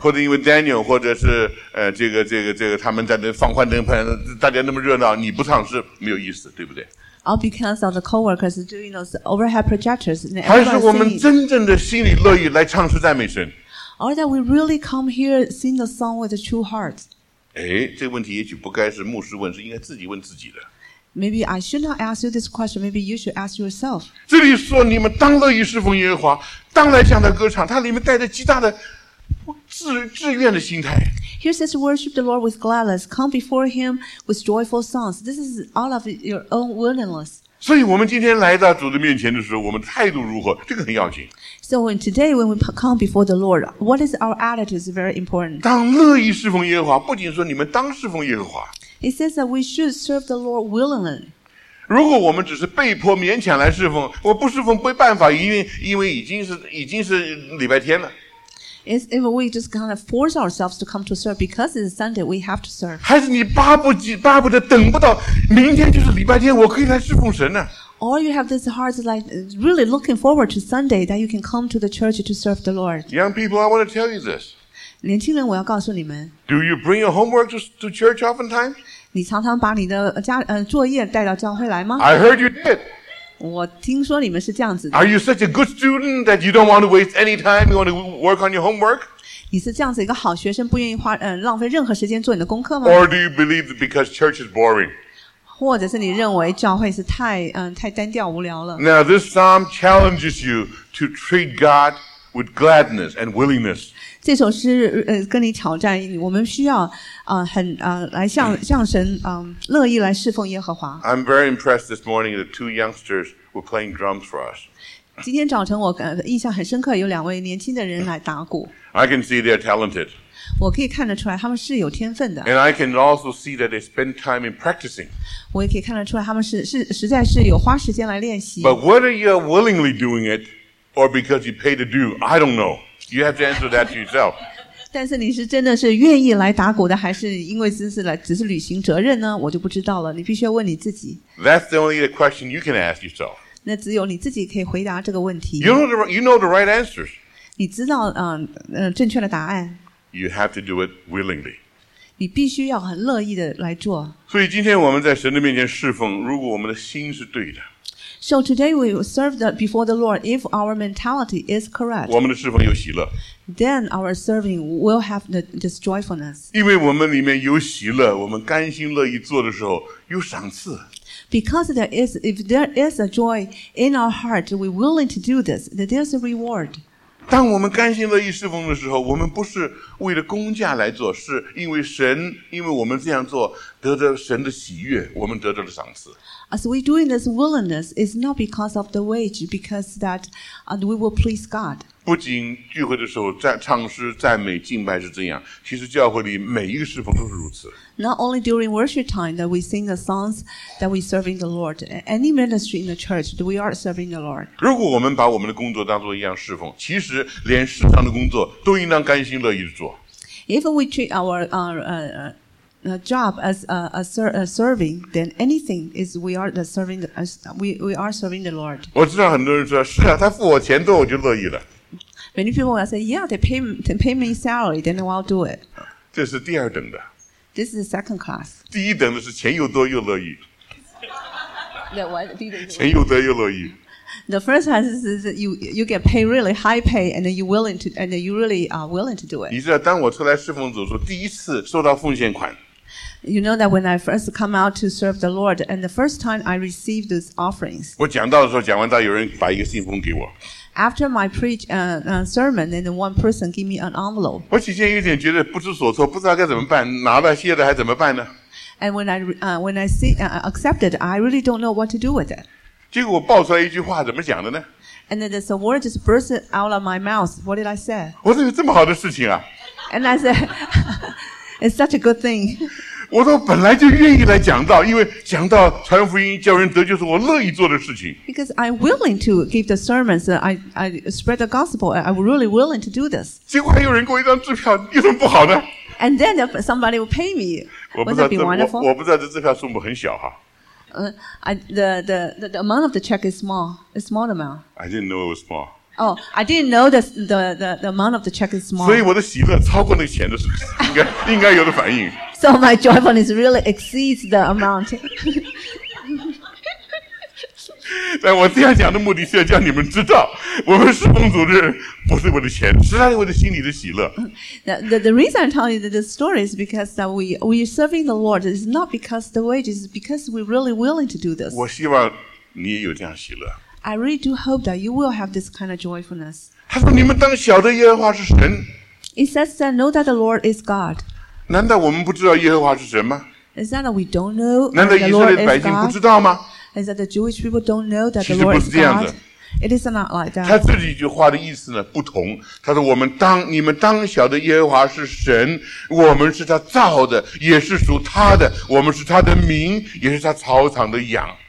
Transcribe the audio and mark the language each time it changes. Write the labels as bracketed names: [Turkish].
[Chinese] 或者因为 Daniel 或者是这个他们在那放幻灯，大家那么热闹，你不唱诗没有意思，对不对？ [English] Or because of the coworkers doing those overhead projectors. [Chinese] 还是我们真正的心里乐意来唱诗赞美神。 [English] Or that we really come here sing the song with a true heart. [Chinese] 哎，这个问题也许不该是牧师问，是应该自己问自己的。 [English] Maybe I should not ask you this question. Maybe you should ask yourself. [Chinese] 这里说你们当乐意侍奉耶和华，当来向他歌唱，他里面带着极大的志愿的心态。 [English] Here says worship the Lord with gladness, come before him with joyful songs. This is all of your own willingness. [Chinese] 所以我们今天来到主的面前的时候，我们态度如何，这个很要紧。 [English] So when today when we come before the Lord, what is our attitude is very important. [Chinese] 当乐意侍奉耶和华，不仅说你们当侍奉耶和华。 [English] He says that we should serve the Lord willingly. [Chinese] 如果我们只是被迫勉强来侍奉，我不侍奉没办法，因为已经是礼拜天了。 [English] Is if we just kind of force ourselves to come to serve because it's Sunday, we have to serve. [Chinese] 还是你巴不得等不到明天就是礼拜天，我可以来侍奉神呢？ [English] Or you have this heart like really looking forward to Sunday that you can come to the church to serve the Lord. Young people, I want to tell you this. [Chinese] 年轻人，我要告诉你们。 [English] Do you bring your homework to church oftentimes? [Chinese] 你常常把你的作业带到教会来吗？ [English] I heard you did. [Chinese] 我听说你们是这样子的。 [English] Are you such a good student that you don't want to waste any time? You want to work on your homework? [Chinese] 你是这样子一个好学生，不愿意花浪费任何时间做你的功课吗 [English] ？Or do you believe that because church is boring? [Chinese] 或者是你认为教会是太单调无聊了 [English] ？Now this psalm challenges you to treat God with gladness and willingness. [Chinese] 这首诗跟你挑战，我们需要来向神乐意来侍奉耶和华。 [English] I'm very impressed this morning that two youngsters were playing drums for us. [Chinese] 今天早晨我印象很深刻，有两位年轻的人来打鼓。 [English] I can see they're talented. [Chinese] 我可以看得出来他们是有天分的。 [English] And I can also see that they spend time in practicing. [Chinese] 我也可以看得出来他们是实在是有花时间来练习。 [English] But whether you're willingly doing it or because you pay the due, I don't know. You have to answer that to yourself. [Chinese] 但是你是真的是愿意来打鼓的，还是因为只是履行责任呢？我就不知道了。你必须要问你自己。 [English] That's the only question you can ask yourself. [Chinese] 那只有你自己可以回答这个问题。 [English] You know the right answers. [Chinese] 你知道正确的答案。 [English] You have to do it willingly. [Chinese] 你必须要很乐意的来做。所以今天我们在神的面前侍奉，如果我们的心是对的。 [English] So today we will serve the, before the Lord if our mentality is correct. [Chinese] 我们的侍奉有喜乐。 [English] Then our serving will have the, this joyfulness. [Chinese] 因为我们里面有喜乐，我们甘心乐意做的时候有赏赐。 [English] Because there is, if there is a joy in our heart, we're willing to do this, that there's a reward. [Chinese] 当我们甘心乐意侍奉的时候，我们不是为了工价来做，是因为神，因为我们这样做得着神的喜悦，我们得着了赏赐。 [English] As we're doing this willingness, it's not because of the wage, because that, we will please God. [Chinese] 不仅聚会的时候在唱诗、赞美、敬拜是这样，其实教会里每一个侍奉都是如此。 [English] Not only during worship time that we sing the songs that we serving the Lord, any ministry in the church that we are serving the Lord. [Chinese] 如果我们把我们的工作当作一样侍奉，其实连世上的工作都应当甘心乐意地做。 [English] If we treat our a job as a serving, then anything is we are the serving the, as we are serving the Lord. [Chinese] 我知道很多人说是啊，他付我钱多，我就乐意了。 [English] Many people will say, yeah, they pay me salary, then I'll do it. [Chinese] 这是第二等的。 [English] This is the second class. [Chinese] 第一等的是钱又多又乐意。那我第一等是钱又多又乐意。 [English] The first one is that you get paid really high pay and then you really are willing to do it. [Chinese] 你知道当我出来侍奉主的时候，第一次收到奉献款。 [English] You know that when I first come out to serve the Lord and the first time I received those offerings. [Chinese] 我讲到的时候，讲完到有人把一个信封给我。 [English] After my preach sermon, and one person gave me an envelope. [Chinese] 我起先有点觉得不知所措，不知道该怎么办，拿了谢了还怎么办呢？ [English] And when I accepted, I really don't know what to do with it. [Chinese] 结果我爆出来一句话，怎么讲的呢？ [English] And then there's a word just burst out of my mouth. What did I say? [Chinese] 我说有这么好的事情啊。 [English] And I said, it's such a good thing. [Chinese] 我说本来就愿意来讲道，因为讲道传福音叫人得救是我乐意做的事情。 [English] Because I'm willing to give the sermons, I spread the gospel, I'm really willing to do this. [Chinese] 结果还有人给我一张支票，有什么不好呢？ [English] And then somebody will pay me. Wouldn't that be wonderful? [Chinese] 我不知道这支票数目很小哈。 [English] The amount of the check is small. A small amount. I didn't know it was small. Oh, I didn't know the amount of the check is small. [Chinese] 所以我的喜乐超过那个钱的时候，应该有的反应。 [English] So my joyfulness really exceeds the amount. [Chinese] 但我这样讲的目的是要叫你们知道，我们侍奉主的人不是为了钱，是在为了心里的喜乐。 [English] The reason I'm telling you this story is because that we are serving the Lord. It's not because the wages, it's because we're really willing to do this. [Chinese] 我希望你也有这样喜乐。 [English] I really do hope that you will have this kind of joyfulness. [Chinese] 他说：“你们当晓得耶和华是神。” [English] It says that know that the Lord is God. [Chinese] 难道我们不知道耶和华是神吗？ [English] Is that we don't know? [Chinese] 难道以色列百姓不知道吗？ [English] Is that the Jewish people don't know that the Lord is God? It is not like that. [Chinese] 他这几句话的意思呢不同。他说你们当晓得耶和华是神，我们是他造的，也是属他的，我们是他的民，也是他草场的羊。